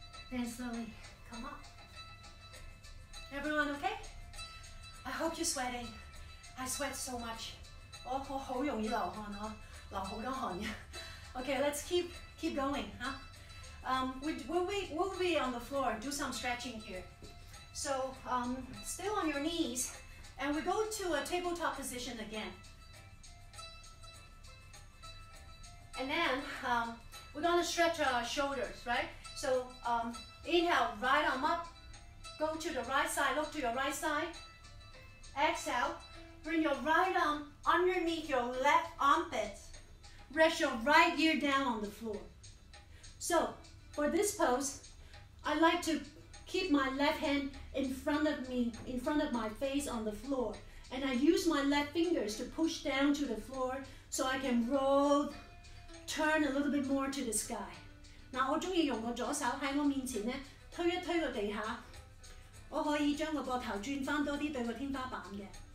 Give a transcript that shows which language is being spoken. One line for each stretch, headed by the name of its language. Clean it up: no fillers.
English: Then slowly come up. Everyone okay? I hope you're sweating. I sweat so much.
Cantonese: 我好容易流汗啊，流好多汗嘅。
English: Okay, let's keep going, huh? We'll be on the floor, do some stretching here. So still on your knees, and we go to a tabletop position again. And then we're gonna stretch our shoulders, right? So inhale, right arm up, go to the right side, look to your right side. Exhale, bring your right arm underneath your left armpit. Rest your right ear down on the floor. So for this pose, I like to keep my left hand in front of me, in front of my face on the floor. And I use my left fingers to push down to the floor so I can roll, turn a little bit more to the sky.
Cantonese: 我喜歡用我左手在我面前推一推個地下。我可以將個頭轉翻多啲對個天花板嘅。